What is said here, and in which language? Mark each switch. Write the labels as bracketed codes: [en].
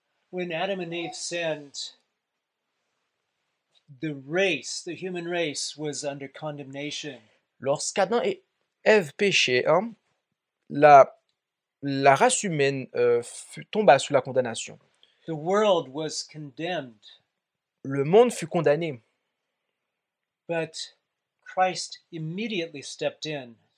[en] When Adam and Eve sinned, the race, the human race, was under condemnation. [fr] Lorsqu'Adam et Ève péchaient, hein, la race humaine tomba sous la condamnation. [en] The world was condemned. [fr] Le monde fut condamné. [en] But Christ immediately stepped in.